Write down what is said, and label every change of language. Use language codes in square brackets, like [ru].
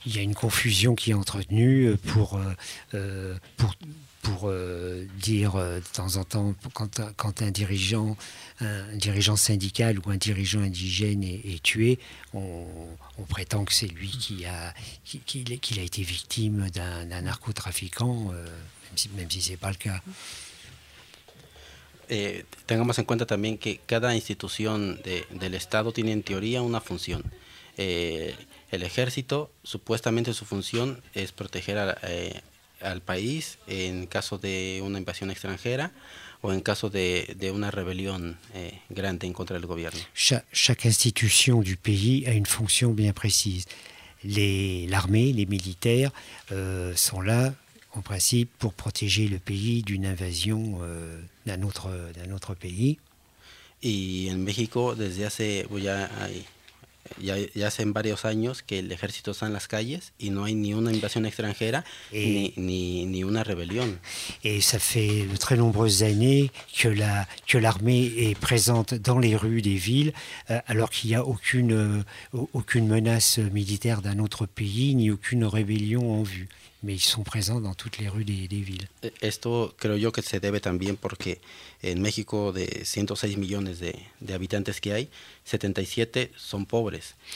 [fr] Il y a une confusion qui est entretenue pour dire de temps en temps, quand un dirigeant syndical ou un dirigeant indigène est tué, on prétend que c'est lui qui a été victime d'un narcotrafiquant, même si c'est pas le cas. [es] Tengamos en cuenta también que cada institución del Estado tiene en teoría una función. El ejército, supuestamente su función es proteger al país en caso de una invasión extranjera o en caso de una rebelión grande en contra del gobierno. [fr] Chaque institución du pays a une fonction bien précise. L'armée, les militaires sont là en principe pour protéger le pays d'une invasion d'un autre pays. [es] Y en México desde hace ya ya hacen varios años que el ejército está en las calles y no hay ni una invasión extranjera ni una rebelión. [fr] Et ça fait très nombreuses années que la que l'armée est présente dans les rues des villes alors qu'il y a aucune menace militaire d'un autre pays ni aucune rébellion en vue. Mais ils sont présents dans toutes les rues des villes. [es] Esto creo yo que se debe también porque en México de 106 millones de habitantes que hay, 77 son pobres.